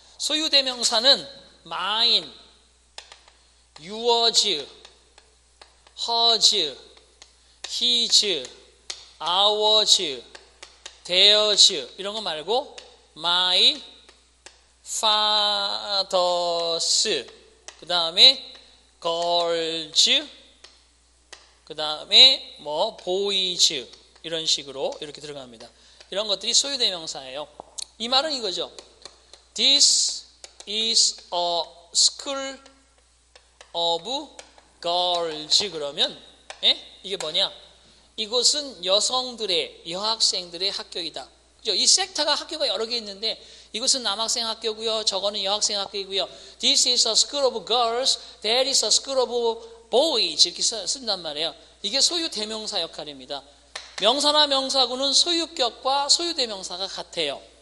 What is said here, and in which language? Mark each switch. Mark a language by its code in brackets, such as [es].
[ko] 소유대명사는 mine, yours, hers, his, ours, theirs 이런 거 말고 my father's 그 다음에 girls 그 다음에 뭐 boys 이런 식으로 이렇게 들어갑니다. 이런 것들이 소유대명사예요. 이 말은 이거죠. [en] This is a school of girls [ko] 그러면 에? 이게 뭐냐? 이곳은 여성들의 여학생들의 학교이다. 그죠? 이 섹터가 학교가 여러 개 있는데 이곳은 남학생 학교고요. 저거는 여학생 학교이고요. [en] This is a school of girls. That is a school of boys. [ko] 이렇게 쓴단 말이에요. 이게 소유 대명사 역할입니다. 명사나 명사구는 소유격과 소유 대명사가 같아요.